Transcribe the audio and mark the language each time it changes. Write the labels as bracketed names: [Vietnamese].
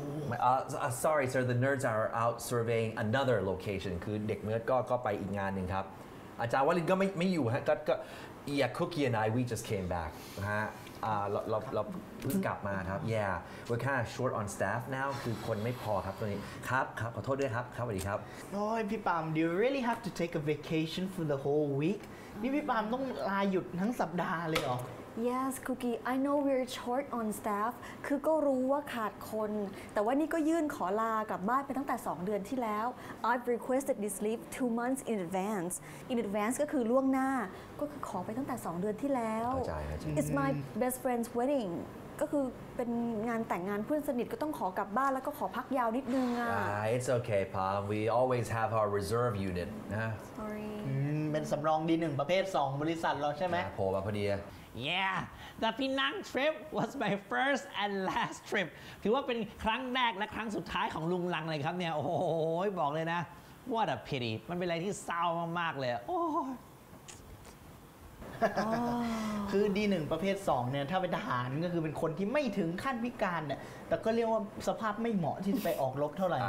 [English] sorry sir, the nerds are out surveying another location. [Thai] คือเด็กเนิร์ดก็ไปอีกงานหนึ่งครับอาจารย์วลินก็ไม่อยู่ฮะก็ [English] yeah, Cookie and I, we just came back. [Thai] ฮะเราเพิ่งกลับมาครับ [English] yeah we're kind of short on staff now [Thai] คือคนไม่พอครับตอนนี้ครับขอโทษด้วยครับครับสวัสดีครับ โอ้ยพี่ปาม [English] do you really have to take a vacation for the whole week [Thai] นี่พี่ปามต้องลาหยุดทั้งสัปดาห์เลยเหรอ [English] yes cookie I know we're short on staff [Thai] คือก็รู้ว่าขาดคนแต่ว่านี่ก็ยื่นขอลากลับบ้านไปตั้งแต่2เดือนที่แล้ว [English] I've requested this leave 2 months in advance [Thai] ก็คือล่วงหน้าก็คือขอไปตั้งแต่2เดือนที่แล้ว [English] it's my best friend's wedding [Thai] ก็คือเป็นงานแต่งงานเพื่อนสนิทก็ต้องขอกลับบ้านแล้วก็ขอพักยาวนิดนึงอ่ะ [English] It's okay, Pam. We always have our reserve unit. นะ Sorry. [Thai] เป็นสำรองดีหนึ่งประเภท2บริษัทเราใช่ไหม โผล่มาพอดี [English] Yeah. The Penang trip was my first and last trip. [Thai] ถือว่าเป็นครั้งแรกและครั้งสุดท้ายของลุงลังเลยครับเนี่ยโอ้ยบอกเลยนะ [English] What a pity. [Thai] มันเป็นอะไรที่เศร้ามากๆเลยโอ้ย คือดีหนึ่งประเภท2เนี่ยถ้าเป็นทหารก็คือเป็นคนที่ไม่ถึงขั้นพิการเนี่ยแต่ก็เรียกว่าสภาพไม่เหมาะที่จะไปออกรบเท่าไหร่นะ